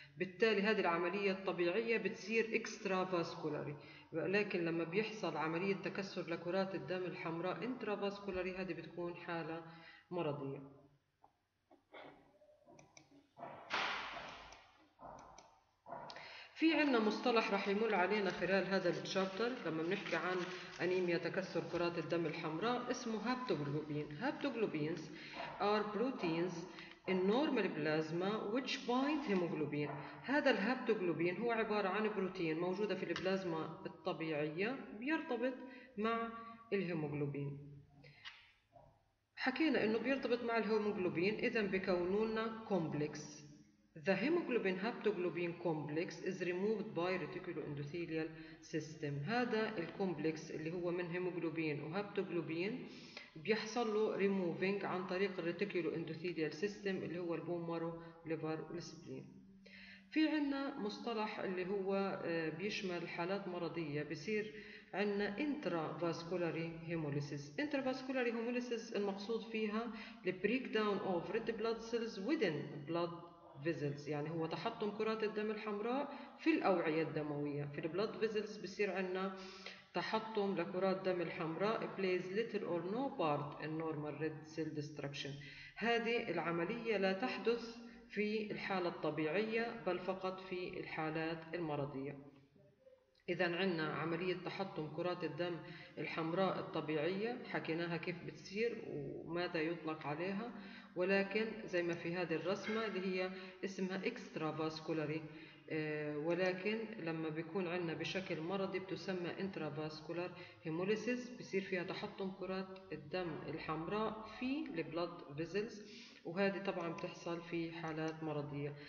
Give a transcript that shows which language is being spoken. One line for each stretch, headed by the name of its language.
Arabic: بالتالي هذه العملية الطبيعية بتصير extravascularly، لكن لما بيحصل عملية تكسر لكرات الدم الحمراء intravascularly هذه بتكون حالة مرضية. في عنا مصطلح رح يمر علينا خلال هذا الشابتر لما بنحكي عن أنيميا تكسر كرات الدم الحمراء، اسمه هابتوغلوبين.
English: Haptoglobins are proteins in normal plasma which bind hemoglobin.
Arabic: هذا الهابتوغلوبين هو عبارة عن بروتين موجودة في البلازما الطبيعية بيرتبط مع الهيموغلوبين. حكينا إنه بيرتبط مع الهيموغلوبين، إذن بكونونا كومبلكس.
English: The hemoglobin haptoglobin complex is removed by reticuloendothelial system.
Arabic: هذا الكومبلكس اللي هو من هيموغلوبين وهابتوغلوبين بيحصل له ريموفينج عن طريق الريتيكولوإندوثيليال سيستم اللي هو البون مارو ليفر والسبلين. في عنا مصطلح اللي هو بيشمل حالات مرضية، بيصير عنا intravascular hemolysis. intravascular hemolysis المقصود فيها
English: the breakdown of red blood cells within blood vessels،
Arabic: يعني هو تحطم كرات الدم الحمراء في الأوعية الدموية.
English: في blood vessels
Arabic: بيصير عنا تحطم لكرات الدم الحمراء
English: plays little or no part in normal red cell destruction.
Arabic: هذه العملية لا تحدث في الحالة الطبيعية بل فقط في الحالات المرضية. إذا عنا عملية تحطم كرات الدم الحمراء الطبيعية حكيناها كيف بتصير وماذا يطلق عليها، ولكن زي ما في هذه الرسمة اللي هي اسمها extravascularly، ولكن لما بيكون عنا بشكل مرضي بتسمى intravascular hemolysis، بيصير فيها تحطم كرات الدم الحمراء في blood vessels، وهذه طبعا بتحصل في حالات مرضية.